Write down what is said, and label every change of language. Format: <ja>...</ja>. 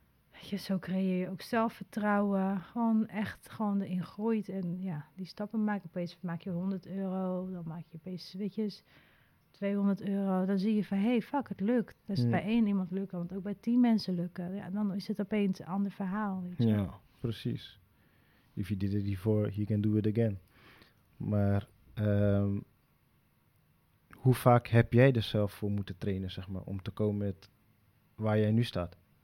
<nl>Weet je, zo creëer je ook zelfvertrouwen. Gewoon echt gewoon erin groeit. En ja, die stappen maken. Opeens maak je €100, dan maak je opeens switches. €200, dan zie je van, hey, fuck, het lukt. Dat is bij één iemand lukken, want ook bij 10 mensen lukken. Ja, dan is het opeens een ander verhaal. Weet je. Ja, precies.</nl> <en>If you did it before, you can do it again.</en> <nl>Maar hoe vaak heb jij er zelf voor moeten trainen, zeg maar, om te komen met waar jij nu staat?</nl>